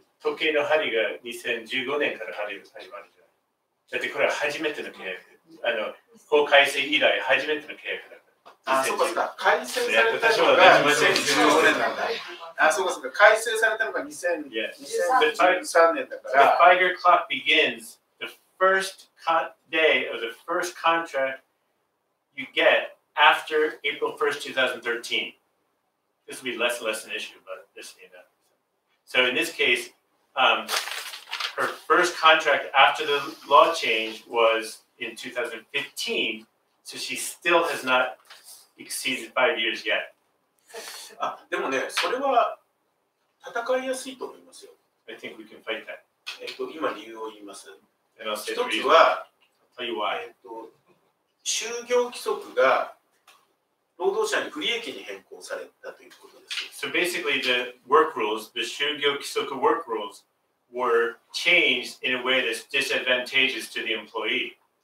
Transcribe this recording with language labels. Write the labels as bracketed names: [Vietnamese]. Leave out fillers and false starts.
[Japanese] 時計の針が2015年から始まるじゃない。だってこれは初めての契約。あの法改正以来初めての契約だった。あ、そうかそうか。改正されたのが2015年なんだ。あ、そうかそうか。改正されたのが2013年だから。 [English] The five-year clock begins the first day of the first contract you get after April 1st, 2013. This will be less an issue, but this may not. So in this case, her first contract after the law change was in 2015, so she still has not exceeded 5 years yet. [Japanese] でもね、それは戦いやすいと思いますよ。 [English] I think we can fight that. [Japanese] 今理由を言います。 [English] And I'll say the reason. [Japanese] 一つは、 [English] I'll tell you why. [Japanese] 就業規則が労働者に不利益に変更されたということです。 [English] So basically the work rules, the 就業規則 work rules were changed in a way that's disadvantageous to the employee.